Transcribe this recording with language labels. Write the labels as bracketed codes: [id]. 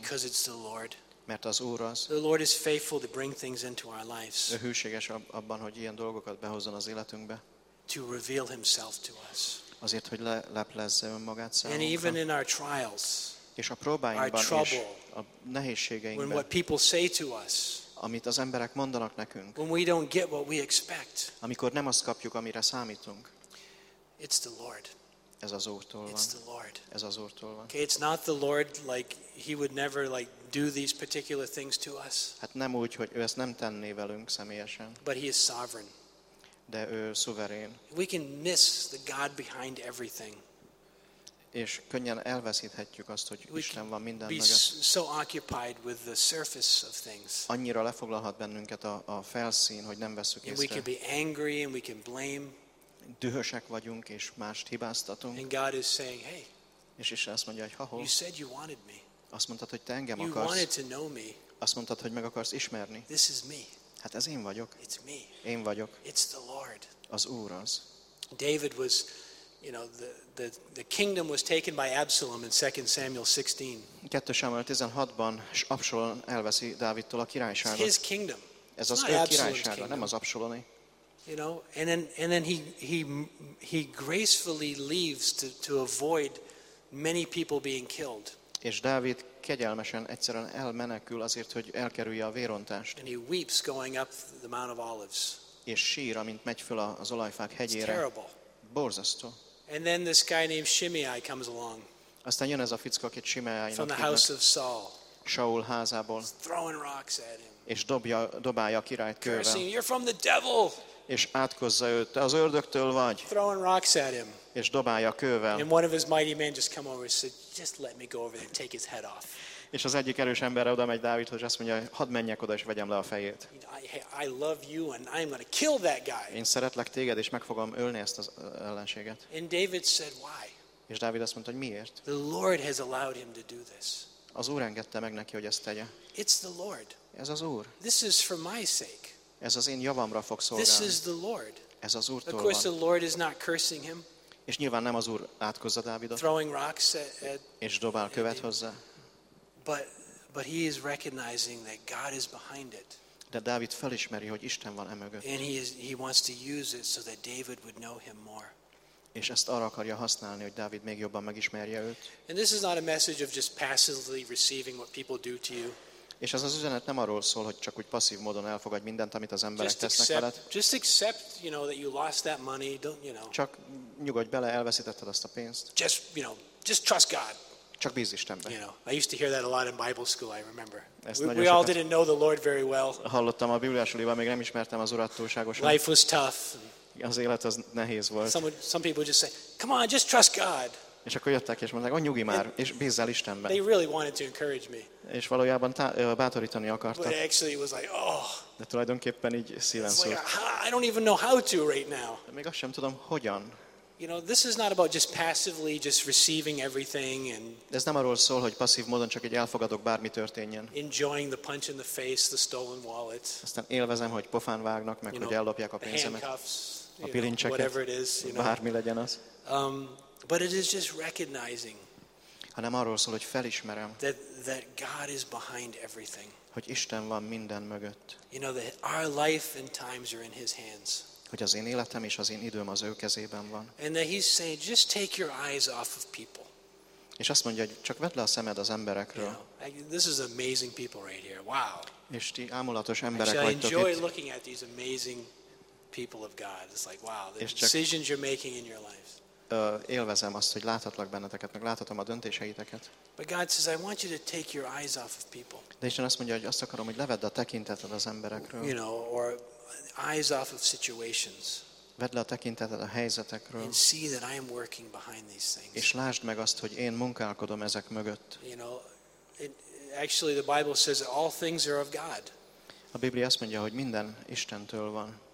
[en] Because it's the Lord. [hu] Mert az Úr az. [en] The Lord is faithful to bring things into our lives. [hu] Ő hűséges abban, hogy ilyen dolgokat behozzon az életünkbe. [en] To reveal himself to us. [hu] Azért, hogy leplezze önmagát számunkra. [en] And even in our trials. [hu] És a próbáinkban [en] trouble, [hu] is, a nehézségeinkben. [en] When what people say to us. [hu] Amit az emberek mondanak nekünk. [en] When we don't get what we expect. [hu] Amikor nem azt kapjuk, amire számítunk. [en] It's the Lord. [hu] Ez az Úrtól van. [en] It's the Lord. [hu] Ez az Úrtól van. [en] Okay, it's not the Lord, like he would never like do these particular things to us. [hu] Hát nem úgy, hogy ő ezt nem tenné velünk személyesen. [en] But he is sovereign. [hu] De ő szuverén. [en] We can miss the God behind everything. [hu] És könnyen elveszíthetjük azt, hogy [en] we [hu] Isten van minden mögött. [en] So occupied with the surface of things. [hu] Annyira lefoglalhat bennünket a felszín, hogy nem veszük észre. [en] We can be angry and we can blame. [hu] Dühösek vagyunk és mást hibáztatunk. [en] And God is saying, hey. [hu] És Isten azt mondja, hogy ha hol. [en] You said you wanted me. [hu] Azt mondtad, hogy te engem [en] you [hu] akarsz. [en] You wanted to know me. [hu] Azt mondtad, hogy meg akarsz ismerni. [en] This is me. [hu] Hát ez én vagyok. [en] It's me. [hu] Én vagyok. [en] It's the Lord. [hu] Az Úr az. [en] David was, you know, the kingdom was taken by Absalom in 2 Samuel 16. [hu] 2 Samuel 16-ban Absalom elveszi Dávidtól a királyságot. [en] His kingdom. [hu] Ez az ő királysága, nem az Absaloné. [en] You know, and then he gracefully leaves to avoid many people being killed. [hu] És Dávid kegyelmesen egyszerűen elmenekül azért, hogy elkerülje a vérontást. [en] And he weeps going up the Mount of Olives. [hu] És sír, amint megy föl az olajfák hegyére. [en] It's terrible. [hu] Borzasztó. [en] And then this guy named Shimei comes along. [hu] Aztán jön ez a fickó, akit Shimeiának [en] from the house of Saul. [hu] Saul házából. [en] He's throwing rocks at him. [hu] És dobálja a királyt kővel. [en] Cursing, you're from the devil. [hu] És átkozza őt, az ördögtől vagy. [en] Throwing rocks at him. [hu] És dobálja kővel. [en] And one of his mighty men just come over and said, just let me go over there and take his head off. [hu] És az egyik erős ember oda megy Dávidhoz, azt mondja, hadd menjek oda és vegyem le a fejét. [en] I love you and I'm going to kill that guy. [hu] Én szeretlek téged és meg fogom ölni ezt az ellenséget. [en] And David said, why? [hu] És Dávid azt mondta, hogy miért? [en] The Lord has allowed him to do this. [hu] Az Úr engedte meg neki, hogy ezt tegye. [en] It's the Lord. [hu] Ez az Úr. [en] This is for my sake. [hu] Ez az én javamra fog szolgálni. [en] This is the Lord. [hu] Ez az Úrtól van. [en] Of course the Lord is not cursing him. [hu] És nyilván nem az Úr átkozza Dávidot. [en] Throwing rocks at [hu] és dobál követ hozzá. [en] But he is recognizing that God is behind it. [hu] De Dávid felismeri, hogy Isten van emögött. [en] And he wants to use it so that David would know him more. [hu] És ezt arra akarja használni, hogy Dávid még jobban megismerje őt. [en] And this is not a message of just passively receiving what people do to you. [hu] És ez az üzenet nem arról szól, hogy csak úgy passzív módon elfogadj mindent, amit az emberek tesznek veled. [en] Just accept, you know, that you lost that money, don't, you know. [hu] Csak nyugodj bele, elveszítetted azt a pénzt. [en] Just, you know, just trust God. [hu] Csak bízz Istenben. [en] You know, I used to hear that a lot in Bible school, I remember. We all didn't know the Lord very well. [hu] Hallottam a bibliásuliban, még nem ismertem az Urat túlságosan. [en] Life was tough. [hu] Az élet az nehéz volt. [en] Some people just say, come on, just trust God. [hu] És akkor jöttek és mondták, nyugi már, és bízz el Istenben. [en] They really wanted to encourage me. [hu] És valójában bátorítani akartak. [en] But actually it was like, oh. [hu] De tulajdonképpen így szíven szólt. [en] I don't even know how to right now. [hu] Még azt sem tudom, hogyan. [en] You know, this is not about just passively just receiving everything and [hu] ez nem arról szól, hogy passzív módon csak egy elfogadok bármi történjen. [en] Enjoying the punch in the face, the stolen wallet. [hu] Aztán élvezem, hogy pofán vágnak meg, hogy ellopják a pénzemet. A pilincseket, [en] whatever it is, you know. [hu] Bármi legyen az. [en] But it is just recognizing. [hu] Hanem arról szól, hogy felismerem. [en] That God is behind everything. [hu] Hogy Isten van minden mögött. [en] You know that our life and times are in his hands. [hu] Hogy az én életem és az én időm az ő kezében van. [en] And that he's saying, just take your eyes off of people. [hu] És azt mondja, hogy csak vedd le a szemed az emberekről. [en] You know, this is amazing people right here. Wow. [hu] És ti ámulatos emberek vagytok itt. [en] I enjoy looking at these amazing people of God. It's like, wow, the decisions you're making in your life. [hu] Élvezem azt, hogy láthatlak benneteket, meg láthatom a döntéseiteket. [en] But God says, I want you to take your eyes off of people. [hu] De Isten azt mondja, hogy azt akarom, hogy levedd a tekinteted az emberekről. [en] You know, or eyes off of situations. [hu] Vedd le a tekinteted a helyzetekről. [en] And see that I am working behind these things. [hu] És lásd meg azt, hogy én munkálkodom ezek mögött. [en] You know, actually the Bible says that all things are of God. [hu] A Biblia azt mondja, hogy minden Istentől van.